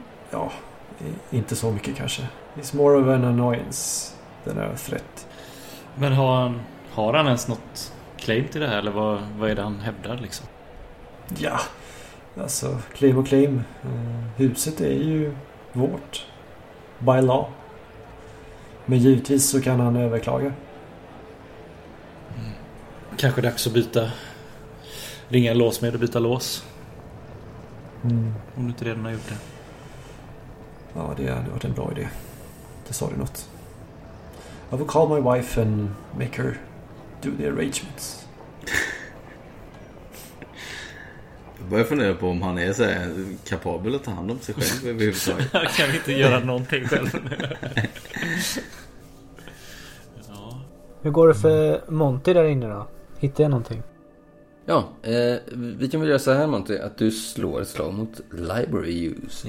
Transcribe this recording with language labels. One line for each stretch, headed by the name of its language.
Swedish: Ja, inte så mycket kanske.
English: It's more of an annoyance than a threat.
Swedish: Men har han ens något claim till det här, eller vad är det han hävdar liksom? Ja, alltså claim. Huset är ju vårt
English: by law.
Swedish: Men givetvis så kan han överklaga. Kanske dags att byta. Ringa lås med och byta lås. Om du inte redan har gjort det. Ja, det hade varit en bra idé. Det sa du något.
English: I will call my wife and make her do the arrangements.
Swedish: Jag börjar fundera på om han är så här kapabel att ta hand om sig själv överhuvudtaget. Kan vi inte göra någonting själv? Ja. Hur går det för Monty där inne då? Hittar jag någonting? Ja, vi kan väl göra så här, Monty, att du slår ett slag mot library use.